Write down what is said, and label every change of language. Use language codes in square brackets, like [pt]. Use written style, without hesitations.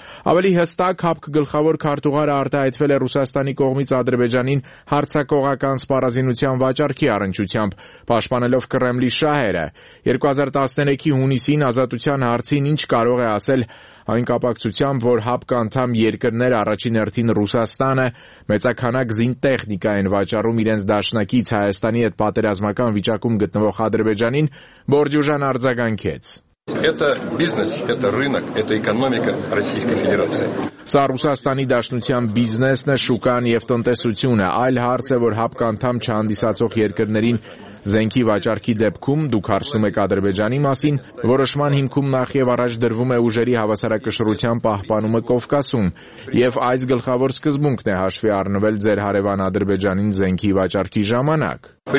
[hy] Ավելի հստակ ՀԱՊԿ գլխավոր քարտուղարը արտահայտվել է Ռուսաստանի կողմից Ադրբեջանին հարցակողական սպառազինության վաճառքի առնչությամբ, պաշտպանելով Կրեմլի շահերը։ 2013-ի հունիսին ազատության հարցին ինչ կարող է ասել այն կապակցությամբ, որ ՀԱՊԿ անդամ երկրներ առաջին հերթին Ռուսաստանը մեծականակ զինտեխնիկա են վաճառում իրենց դաշնակից Հայաստանի հետ պատերազմական վիճակում գտնվող Ադրբեջանին, Բորդյուժան արձագանքեց. [ru] Это бизнес, это рынок, это экономика Российской Федерации. [hy] Սա Ռուսաստանի դաշնության բիզնեսն է, շուկան եւ տնտեսությունը, այլ հարց է, որ ՀԱՊԿ անդամ չհանդիսացող երկրներին Զենքի վաճառքի դեպքում դուք հարցում եք Ադրբեջանի մասին, որոշման հիմքում նախ եւ առաջ դրվում է ուժերի հավասարակշռության պահպանումը Կովկասում, եւ այս գլխավոր սկզբունքն է հաշվի առնվել ձեր հարևան Ադրբեջանին զենքի վաճառքի ժամանակ։